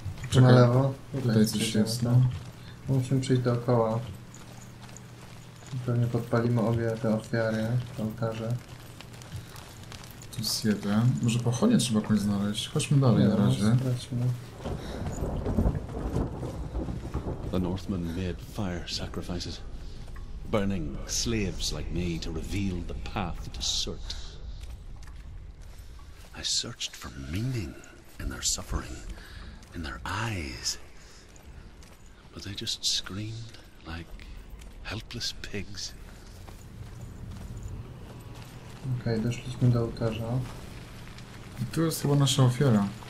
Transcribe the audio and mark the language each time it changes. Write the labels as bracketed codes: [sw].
[pl] Czekaj. Na lewo? Tutaj coś jest, no. Musimy przyjść dookoła. Pewnie podpalimy obie te ofiary w ołtarze. Tu jest jeden. Może pochodnie trzeba kogoś znaleźć. Chodźmy dalej na razie. [en] The Northmen made fire sacrifices. Burning slaves like me to reveal the path to Surt. I searched for meaning in their suffering, in their eyes. But they just screamed like helpless pigs. [pl] Okej, doszliśmy do ołtarza. I tu jest chyba nasza ofiara.